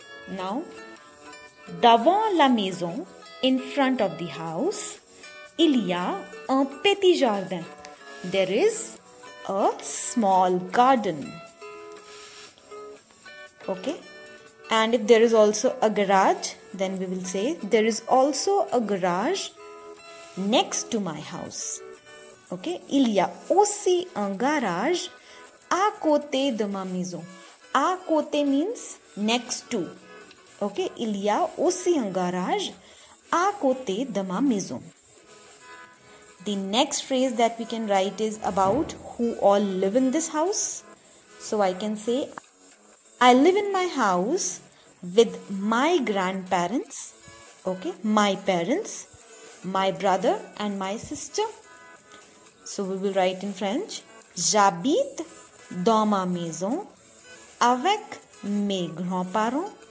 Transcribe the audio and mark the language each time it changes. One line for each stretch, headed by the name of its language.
French: Now, devant la maison,
English: in front of the house,
French: il y a un petit jardin.
English: There is a small garden. Okay? And if there is also a garage, then we will say, there is also a garage next to my house. Okay?
French: Il y a aussi un garage à côté de ma maison. À côté
English: means next to. Okay,
French: il y a aussi un garage à côté de ma maison.
English: The next phrase that we can write is about who all live in this house. So I can say, I live in my house with my grandparents, okay, my parents, my brother and my sister. So we will write in French,
French: j'habite dans ma maison avec mes grands-parents.